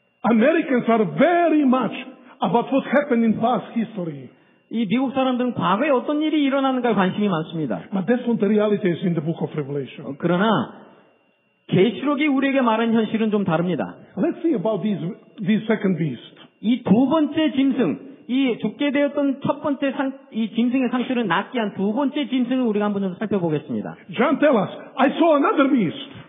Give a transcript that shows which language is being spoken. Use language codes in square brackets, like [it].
[en] Americans are very much about what happened in past history. [ko] 이 미국 사람들은 과거에 어떤 일이 일어나는가에 관심이 많습니다. [en] But that's what the reality is in the book of Revelation. [ko] 그러나 계시록이 우리에게 말한 현실은 좀 다릅니다. [en] Let's see about these second beast. [ko] 이 두 번째 짐승, 이 죽게 되었던 첫 번째 상, 이 짐승의 상처를 낫게 한 두 번째 짐승을 우리가 한번 좀 살펴보겠습니다. [en] John tell us, I saw another beast.